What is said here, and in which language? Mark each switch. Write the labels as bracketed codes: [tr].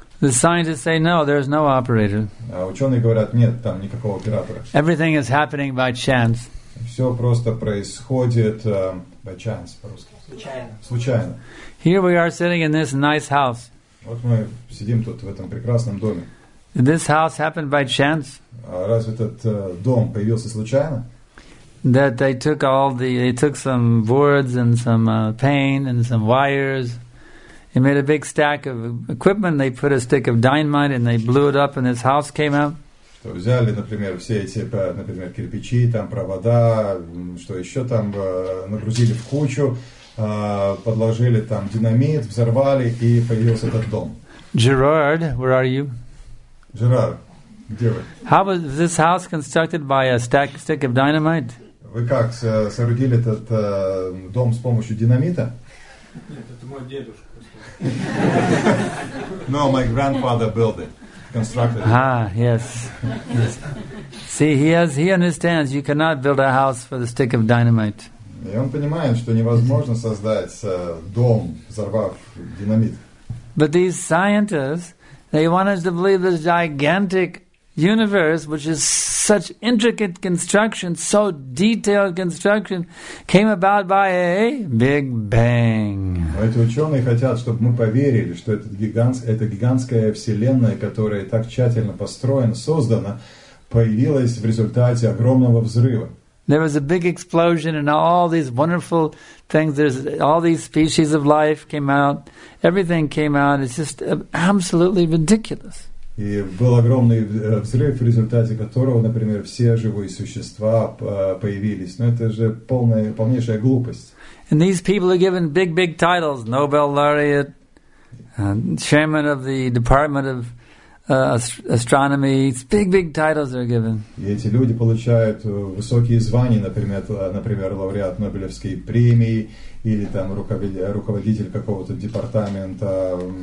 [en] The scientists say no, there is no operator. [ru] А ученые говорят нет, там никакого оператора. [en] Everything is happening by chance. [ru] Все просто происходит [en] by chance [ru] по-русски. Случайно. [en] Here we are sitting in this nice house. [ru] Вот мы сидим тут в этом прекрасном доме. [en] This house happened by chance. [ru] Разве этот дом появился случайно? [en] That they took some boards and some paint and some wires. They made a big stack of equipment. They put a stick of dynamite and they blew it up, and this house came out. [ru] Что взяли, например, все эти, например, кирпичи, там провода, что еще там нагрузили в кучу, подложили там динамит, взорвали и появился этот дом. [en] Gerard, where are you? [ru] Gerard, где вы? [en] How was this house constructed by a stick of dynamite? [ru] Вы как соорудили этот дом с помощью динамита? Нет, это мой дедушка. [en] No, my grandfather built it. Yes. See, he understands you cannot build a house for the stick of dynamite. [ru] И он понимает, что невозможно создать дом, взорвав динамит. [en] But these scientists, they want us to believe this gigantic universe, which is such intricate construction, so detailed construction, came about by a big bang. [ru] Эти ученые хотят, чтобы мы поверили, что эта гигантская вселенная, которая так тщательно построена, создана, появилась в результате огромного взрыва. [en] There was a big explosion, and all these wonderful things. There's all these species of life came out. Everything came out. It's just absolutely ridiculous. [ru] И был огромный взрыв, в результате которого, например, все живые существа появились. Но это же полнейшая глупость. [en] And these people are given big titles: Nobel laureate, chairman of the Department of Astronomy. It's big titles they're given. [ru] И эти люди получают высокие звания, например, лауреат Нобелевской премии или там руководитель какого-то департамента.